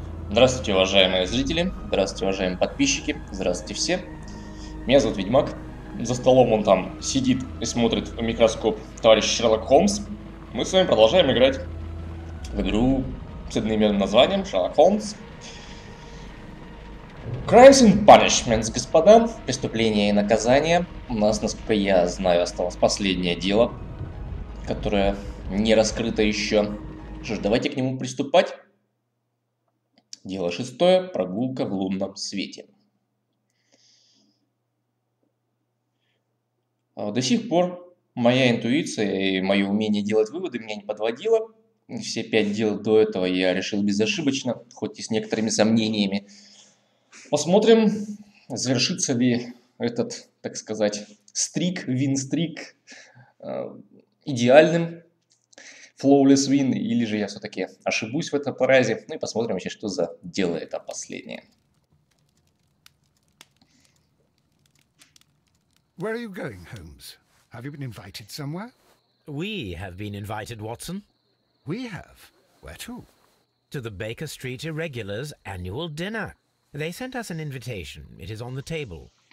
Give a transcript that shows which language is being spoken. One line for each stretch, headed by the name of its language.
Russian: Здравствуйте, уважаемые зрители, здравствуйте, уважаемые подписчики, здравствуйте все. Меня зовут Ведьмак. За столом он там сидит и смотрит в микроскоп товарищ Шерлок Холмс. Мы с вами продолжаем играть в игру с одноименным названием Шерлок Холмс.
English: Crimes and Punishments, господа.
Russian: Преступление и наказание. У нас, насколько я знаю, осталось последнее дело, которое не раскрыто еще. Что ж, давайте к нему приступать. Дело шестое. Прогулка в лунном свете. До сих пор моя интуиция и мое умение делать выводы меня не подводило. Все пять дел до этого я решил безошибочно, хоть и с некоторыми сомнениями. Посмотрим, завершится ли этот, так сказать, стрик, вин-стрик идеальным.
English: Flawless win,
Russian: или же я все-таки ошибусь в этом паразе. Ну и посмотрим вообще, что за дело это последнее.
English: Where are you going, Holmes? Have you been invited somewhere? We have been invited, Watson. We have? Where to? To the Baker Street Irregulars annual dinner. They sent us an invitation. It is on the table.